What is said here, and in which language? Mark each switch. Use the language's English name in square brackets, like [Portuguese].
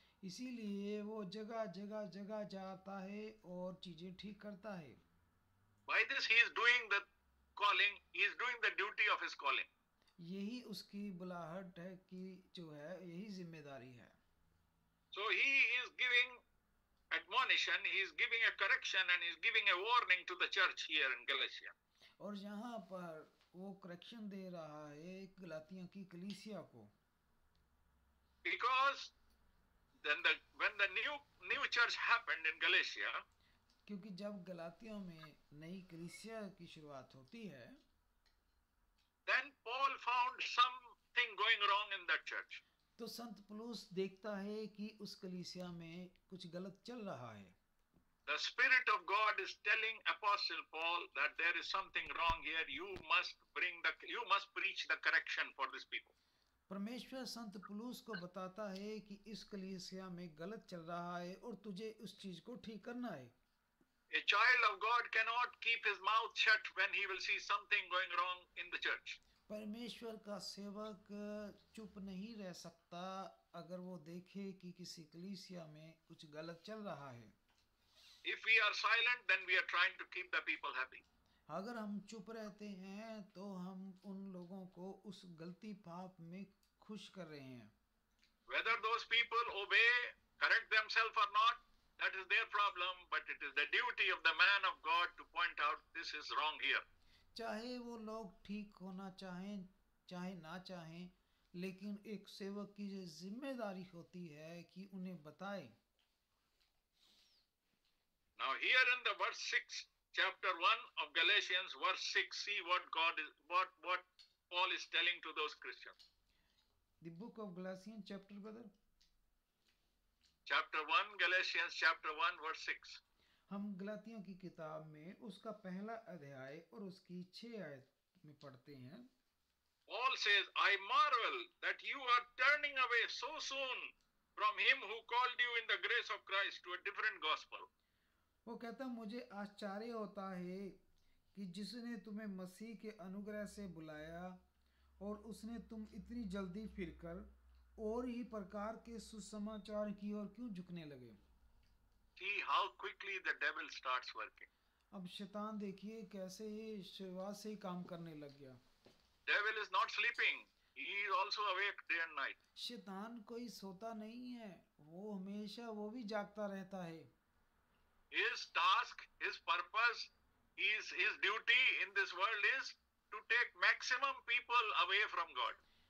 [Hindi] इसीलिए वो जगह-जगह जाता है और चीजें ठीक करता है. [English] By this he is doing the calling, he is doing the duty of his calling. [Hindi] यही उसकी बुलाहट है कि जो है यही जिम्मेदारी है. [English] So he is giving admonition, he is giving a correction and he is giving a warning to the church here in Galatia. [Hindi] और यहाँ पर वो correction दे रहा है गलातिया की कलीसिया को. [English] Because when the new church happened in Galatia. [Hindi] क्योंकि जब गलातियों में नई कलीसिया की शुरुआत होती है, [English] then Paul found something going wrong in that church. [Hindi] तो संत पौलुस देखता है कि उस कलीसिया में कुछ गलत चल रहा है. [English] The Spirit of God is telling Apostle Paul that there is something wrong here. You must preach the correction for these people. [Hindi] परमेश्वर संत पौलुस को बताता है कि इस कलीसिया में गलत चल रहा है और तुझे उस चीज को ठीक करना है. [English] A child of God cannot keep his mouth shut when he will see something going wrong in the church. [Hindi] परमेश्वर का सेवक चुप नहीं रह सकता अगर वो देखे कि किसी कलीसिया में कुछ गलत चल रहा है. [English] If we are silent, then we are trying to keep the people happy. [Hindi] अगर हम चुप रहते हैं तो हम उन लोगों को उस गलती पाप में खुश कर रहे हैं. [English] Whether those people obey, correct themselves or not, that is their problem, but it is the duty of the man of God to point out this is wrong here. [Hindi] चाहे वो लोग ठीक होना चाहें चाहे ना चाहें, लेकिन एक सेवक की जिम्मेदारी होती है कि उन्हें बताए. [English] Now here in the verse 6, chapter 1 of Galatians, verse 6, see what Paul is telling to those Christians. The book of Galatians, chapter, brother? Chapter 1, Galatians, chapter 1, verse 6. [Hindi] हम गलातियों की किताब में उसका पहला अध्याय और उसकी 6 आयत में पढ़ते हैं. [English] Paul says, I marvel that you are turning away so soon from him who called you in the grace of Christ to a different gospel. [Hindi] वो कहता मुझे आश्चर्य होता है कि जिसने तुम्हें मसीह के अनुग्रह से बुलाया और उसने तुम इतनी जल्दी फिरकर और ही प्रकार के सुसमाचार की ओर क्यों झुकने लगे? [English] See how quickly the devil starts working. [Hindi] अब शैतान देखिए कैसे शुरुआत से ही काम करने लग गया. [English] Devil is not sleeping. He is also awake day and night. [Hindi] शैतान कोई सोता नहीं है, वो हमेशा वो भी जागता रहता है. [English] His task, his purpose, his duty in this world is to take maximum people away from God.